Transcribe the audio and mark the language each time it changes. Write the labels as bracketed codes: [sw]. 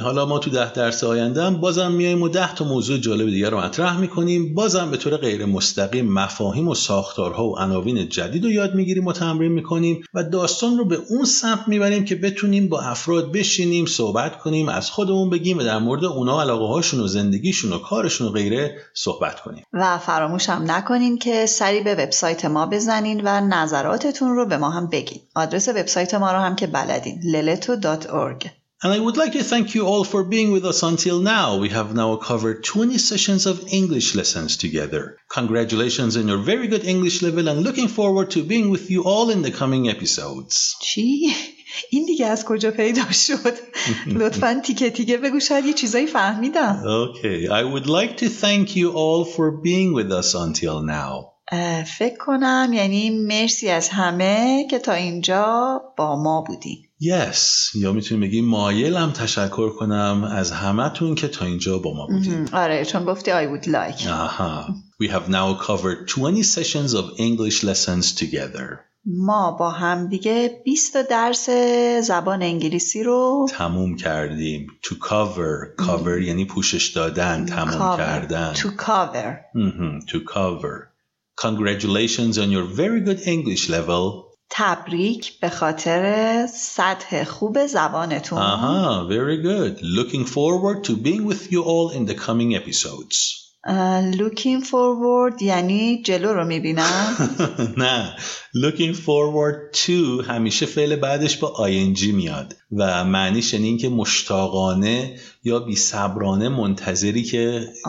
[fa] حالا ما تو 10 درس آینده هم بازم میایم و 10 تا موضوع جالب دیگه رو مطرح میکنیم، بازم به طور غیر مستقیم مفاهیم و ساختارها و عناوین جدید رو یاد میگیریم و تمرین میکنیم و داستان رو به اون سمت میبریم که بتونیم با افراد بشینیم، صحبت کنیم، از خودمون بگیم و در مورد اونا علاقه هاشون و زندگیشون و کارشون و غیره صحبت کنیم. و فراموش هم نکنین که سری به وبسایت ما بزنین و نظراتتون رو به ما هم بگین. آدرس وبسایت ما رو هم که بلدین، leleto.org. [en] And I would like to thank you all for being with us until now. We have now covered 20 sessions of English lessons together. Congratulations on your very good English level and looking forward to being with you all in the coming episodes. Gee. [fa] این دیگه از کجا پیدا شد؟ لطفاً تیکه تیکه بگو، شاید یه چیزایی فهمیدم. [en] Okay. I would like to thank you all for being with us until now. [fa] فکر کنم یعنی مرسی از همه که تا اینجا با ما بودین. [en] Yes. [fa] یا میتونی بگی مایلم تشکر کنم از همتون که تا اینجا با ما بودین. آره، چون گفتی [en] I would like. آها. We have now covered 20 sessions of English lessons together. [fa] ما با هم دیگه 20 درس زبان انگلیسی رو تموم کردیم. [en] To cover. [fa] Cover یعنی پوشش دادن، تموم [en] cover. [fa] کردن. [en] To cover. To cover. Congratulations on your very good English level. [fa] تبریک به خاطر سطح خوب زبانتون. [en] آها، very good. Looking forward to being with you all in the coming episodes. looking forward [fa] یعنی جلو رو میبینم؟ نه، [en] looking forward to [fa] همیشه فعل بعدش با ing میاد و معنیش این که مشتاقانه یا بی‌صبرانه منتظری که